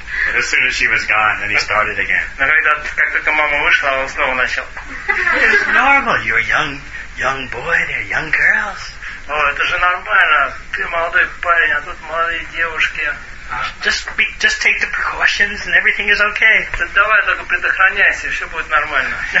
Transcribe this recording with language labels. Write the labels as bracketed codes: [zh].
[en] And as soon as she was gone, then he started again. [ru] Но когда, как только мама вышла, он снова начал. [en] It's normal, you're a young boy, they're young girls. [ru] О, это же нормально, ты молодой парень, а тут молодые девушки. [en] Just take the precautions and everything is okay. [ru] Давай только предохраняйся, все будет нормально.